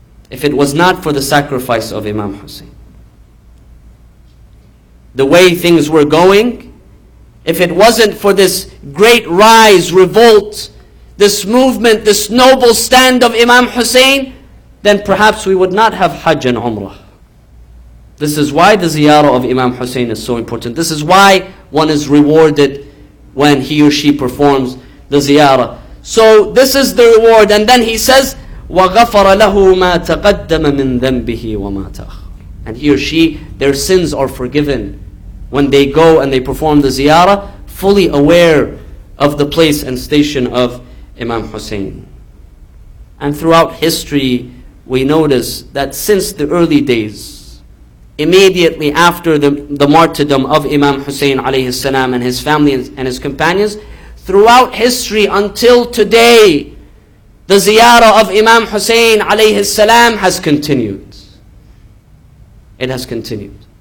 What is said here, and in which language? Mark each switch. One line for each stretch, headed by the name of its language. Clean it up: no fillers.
English: If it was not for the sacrifice of Imam Hussein, the way things were going, if it wasn't for this great rise, revolt, this movement, this noble stand of Imam Hussein, then perhaps we would not have Hajj and Umrah. This is why the ziyarah of Imam Hussein is so important. This is why one is rewarded when he or she performs the ziyarah. So this is the reward. And then he says,
Arabic: وَغَفَرَ لَهُ مَا تَقَدَّمَ مِنْ ذَنْبِهِ وَمَا تَأْخَرَ.
English: And he or she, their sins are forgiven when they go and they perform the ziyarah, fully aware of the place and station of Imam Hussein. And throughout history, we notice that since the early days, immediately after the martyrdom of Imam Hussein alayhi salam and his family and his companions, throughout history until today, the ziyarah of Imam Hussein alayhi salam has continued. It has continued.